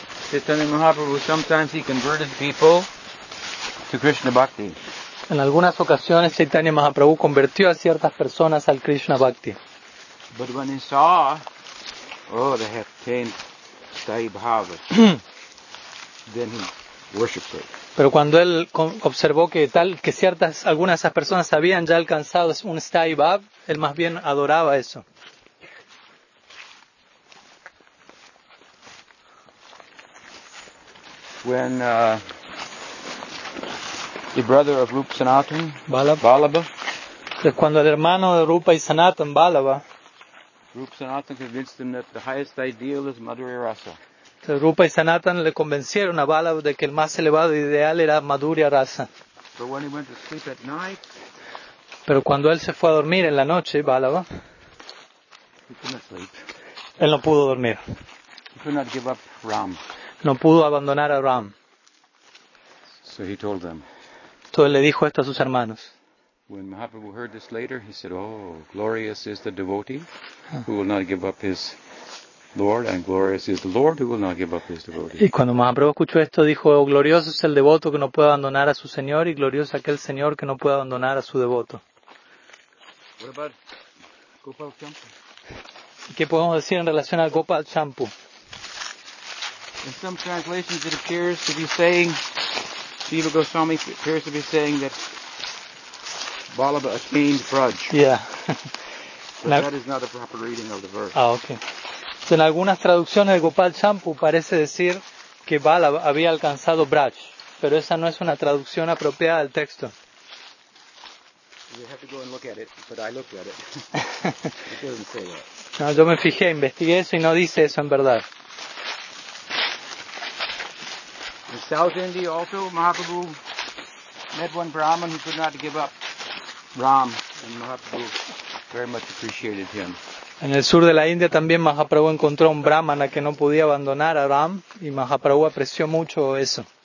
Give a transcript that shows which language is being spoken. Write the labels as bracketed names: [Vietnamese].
[English] Chaitanya Mahaprabhu, sometimes he converted people to Krishna Bhakti. [Spanish] En algunas ocasiones Chaitanya Mahaprabhu convirtió a ciertas personas al Krishna Bhakti. [English] But when he saw, oh, they have attained Stai Bhava, then he worshipped it. [Spanish] Pero cuando él observó que tal, que ciertas, algunas de esas personas habían ya alcanzado un Stai Bhava, él más bien adoraba eso. [English] When the brother of Rupa Sanatan, [Spanish] Balabha, cuando el hermano de Rupa y Sanatan, Balabha, [English] Rupa Sanatan convinced him that the highest ideal is Madhurya Rasa. [Spanish] Rupa y Sanatan le convencieron a Balabha de que el más elevado ideal era Madhurya Rasa. [English] But when he went to sleep at night, [Spanish] pero cuando él se fue a dormir en la noche, Balabha, [English] he could not sleep. [Spanish] Él no pudo dormir. [English] He could not give up Ram. [Spanish] No pudo abandonar a Ram. [English] So he told them. [Spanish] Entonces le dijo esto a sus hermanos. [English] When Mahaprabhu heard this later, he said, oh, glorious is the devotee who will not give up his Lord, and glorious is the Lord who will not give up his devotee. [Spanish] Y cuando Mahaprabhu escuchó esto, dijo, oh, glorioso es el devoto que no puede abandonar a su Señor, y glorioso aquel Señor que no puede abandonar a su devoto. [English] What about Gopal Champu? [Spanish] ¿Qué podemos decir en relación al Gopal Champu? [English] In some translations it appears to be saying, Shiva Goswami appears to be saying that Balabha attained Braj. Yeah. But that is not a proper reading of the verse. Ah, okay. [Spanish] So en algunas traducciones de Gopal Champu parece decir que Balabha había alcanzado Braj, pero esa no es una traducción apropiada del texto. [English] You have to go and look at it, but I looked at it. It doesn't say that. [Spanish] No, yo me fijé, investigué eso y no dice eso en verdad. [English] In South India also, Mahaprabhu met one Brahman who could not give up Ram and Mahaprabhu very much appreciated him. [Spanish] En el sur de la India también Mahaprabhu encontró un brahmana que no podía abandonar a Ram y Mahaprabhu apreció mucho eso.